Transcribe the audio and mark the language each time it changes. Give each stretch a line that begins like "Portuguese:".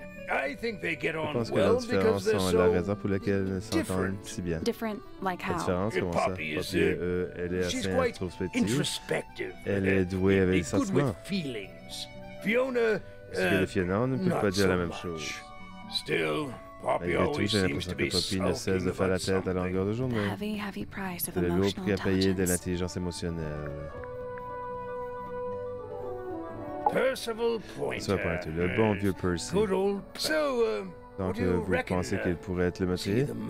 English: I think they get on well because they're so
French: la raison pour laquelle ils s'entendent si bien.
English: Different, like how?
French: La différence, comment ça? Poppy, elle est assez introspective. Elle est douée avec les sentiments. Fiona, Fiona ne peut pas dire la même chose.
English: Still, Poppy always seems to be sulking about something.
French: Poppy ne cesse de faire la tête à longueur de journée.
English: The heavy price of emotional intelligence.
French: À payer de l'intelligence émotionnelle.
English: Percival Pointer.
French: Le bon vieux Percy.
English: Good old... So,
French: donc, vous pensez qu'il pourrait être le meurtrier?